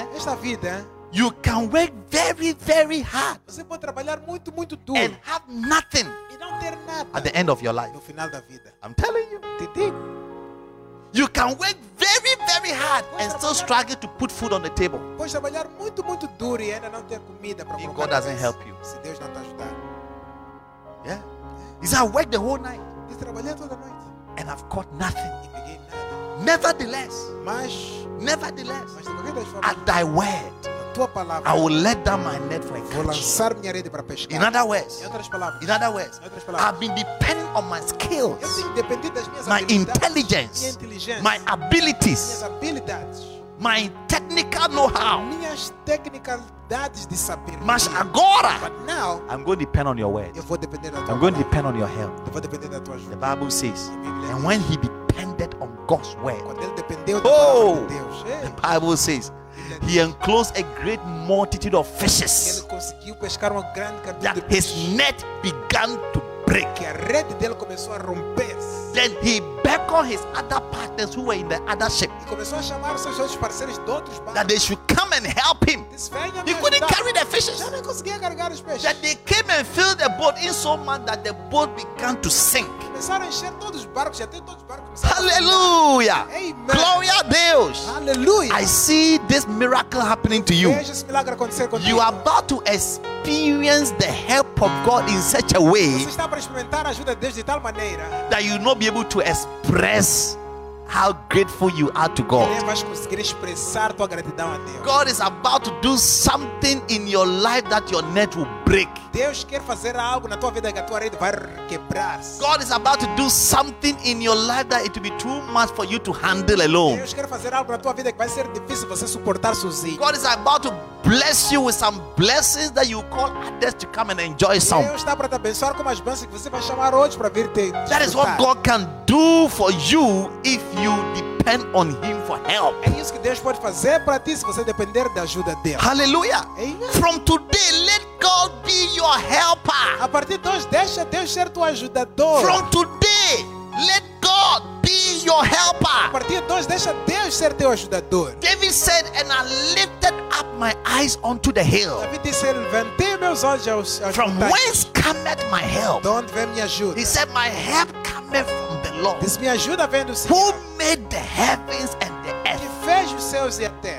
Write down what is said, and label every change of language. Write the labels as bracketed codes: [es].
[pt] esta vida, [en] you can work very, very hard. [pt] Você pode trabalhar muito, muito duro. [en] And have nothing. At the end of your life. [pt] No final da vida. [en] I'm telling you. You can work very, very hard and still struggle to put food on the table. [pt] Pode trabalhar muito, muito duro e ainda não ter comida para comer. [en] God doesn't help you. [pt] Se Deus não te ajudar. [en] Yeah? He's at work the whole night. [pt] Tens trabalhado toda a noite. [en] And I've caught nothing. [pt] E peguei nada. [en] Nevertheless. [pt] Mas. [en] Nevertheless. [pt] Mas de qualquer forma. [en] At thy word. [pt] Tua palavra, [en] I will let down my net for a catch. [pt] Vou lançar minha rede para pescar. [en] In other words, [pt] em outras palavras, [en] I've been depending on my skills, [pt] eu tenho dependido das minhas [en] my intelligence, [pt] minha inteligência, [en] my abilities, [pt] minhas habilidades, [en] my technical know-how, [pt] minhas tecnicidades de saber. Mas agora, [en] but now, I'm going to depend on your word. [pt] Eu vou depender da tua [en] I'm [pt] palavra. [en] Going to depend on your help. [pt] Eu vou depender da tua ajuda. [en] The Bible says, [pt] Bíblia, [en] and when he depended on God's word, [pt] quando ele dependeu da palavra de Deus, [en] the Bible says, he enclosed a great multitude of fishes. [pt] Ele conseguiu pescar uma grande quantidade [en] that [pt] de peixes. [en] His net began to break. [pt] Que a rede dele começou a romper-se. [en] Then he beckoned his other partners who were in the other ship. [pt] E começou a chamar os seus outros parceiros de outros barcos. [en] That they should come and help him. He couldn't [pt] ajudar. [en] Carry the fishes. [pt] Já não conseguia carregar os peixes. [en] That they came and filled the boat in so much that the boat began to sink. [pt] Começaram a encher todos os barcos. Já tem todos os barcos. [en] Hallelujah. Amen. Glory to Deus. Hallelujah. I see this miracle happening to you. [pt] Veja esse milagre acontecer contigo. [en] You are about to experience the help of God in such a way. [pt] Você está para experimentar a ajuda de Deus de tal maneira. [en] That you not be able to express how grateful you are to God. [pt] Não vais conseguir expressar tua gratidão a Deus. [en] God is about to do something in your life that your net will break. break. [pt] Deus quer fazer algo na tua vida que a tua rede vai quebrar. [en] God is about to do something in your life that it will be too much for you to handle alone. [pt] Deus quer fazer algo na tua vida que vai ser difícil você suportar sozinho. [en] God is about to bless you with some blessings that you call others to come and enjoy some. [pt] Deus está para te abençoar com as bênçãos que você vai chamar outros para vir te disfrutar. [en] That is what God can do for you if you depend on Him for help. [pt] É isso que Deus pode fazer para ti se você depender da ajuda dele. [en] Hallelujah. From today, let God be your helper. [pt] A partir de hoje, deixa Deus ser teu ajudador. [en] From today, let God be your helper. [pt] A partir de hoje, deixa Deus ser teu ajudador. [en] David said, and I lifted up my eyes unto the hill. [pt] David disse, levantei meus olhos aos montes. [en] From whence cometh my help? [pt] De onde vem minha ajuda? [en] He said, my help cometh from the Lord. [pt] Diz, minha ajuda vem do [en] Senhor. Who made the heavens and the earth?